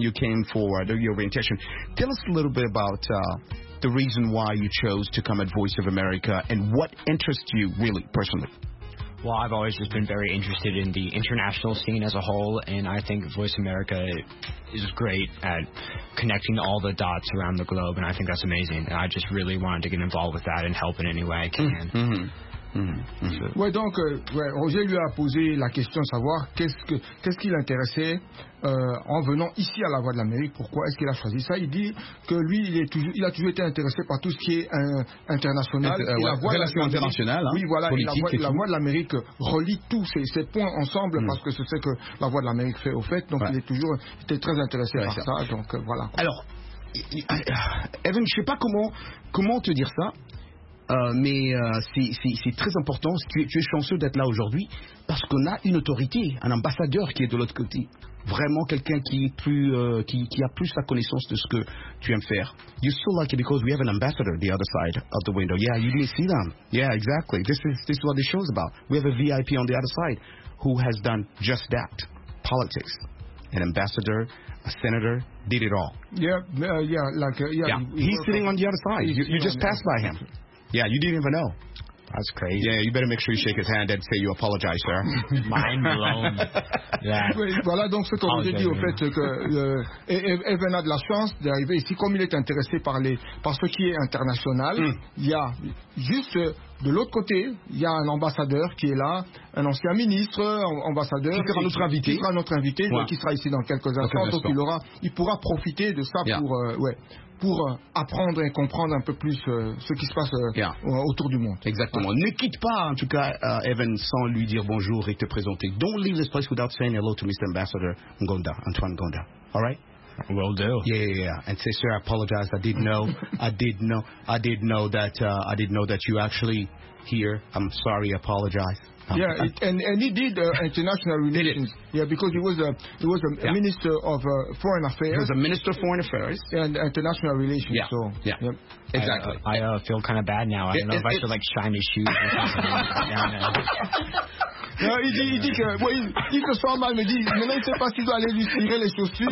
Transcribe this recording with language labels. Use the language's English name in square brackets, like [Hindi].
[English] You came for your orientation. Tell us a little bit about the reason why you chose to come at Voice of America and what interests you really personally. Well, I've always just been very interested in the international scene as a whole, and I think Voice America is great at connecting all the dots around the globe, and I think that's amazing. And I just really wanted to get involved with that and help in any way I can. Mm-hmm. Mm-hmm. [French] Ouais, donc, ouais, Roger lui a posé la question de savoir qu'est-ce qui l'intéressait en venant ici à la Voix de l'Amérique. Pourquoi est-ce qu'il a choisi ça? Il dit que lui, il a toujours été intéressé par tout ce qui est international. Relation internationale. Oui, voilà. La Voix de l'Amérique relie tous ces points ensemble parce que c'est ce que la Voix de l'Amérique fait au fait. Donc, ouais. Il est toujours été très intéressé par ça. Donc, voilà. Alors, Evan, je ne sais pas comment te dire ça. Mais c'est très important. Tu es chanceux d'être là aujourd'hui parce qu'on a une autorité, un ambassadeur qui est de l'autre côté. Vraiment quelqu'un qui a plus la connaissance de ce que tu aimes faire. [English] You still like it because we have an ambassador the other side of the window. Yeah, you didn't see them. Yeah, exactly. This is what the show is about. We have a VIP on the other side who has done just that. Politics, an ambassador, a senator, did it all. Yeah. He's sitting on the other side. You just passed by him. Yeah, you didn't even know. That's crazy. Yeah, you better make sure you shake his hand and say you apologize, sir. Mind blown. Yeah. [French] Voilà donc ce que vous avez dit au fait que Evan a de la chance d'arriver ici comme il est intéressé par ce qui est international. Il y a juste De l'autre côté, il y a un ambassadeur qui est là, un ancien ministre, ambassadeur. Qui sera notre invité. Qui sera notre invité, ouais. Qui sera ici dans quelques instants. Donc il pourra profiter de ça pour, pour apprendre et comprendre un peu plus ce qui se passe autour du monde. Exactement. Ouais. Ne quitte pas, en tout cas, Evan, sans lui dire bonjour et te présenter. [English] Don't leave this place without saying hello to Mr. Ambassador Ngonda, Antoine Ngonda. All right? Will do. Yeah. And sister, I apologize. I didn't know that you actually here. I'm sorry. I apologize. And he did international relations. Yeah, because he was a minister of foreign affairs. He was a minister of foreign affairs and international relations. Yeah. So, exactly. I feel kind of bad now. I don't know if I should like shine his shoes. Or something. [French] Il se sent mal, mais dit, maintenant il ne sait pas s'il doit aller lui tirer les chaussures.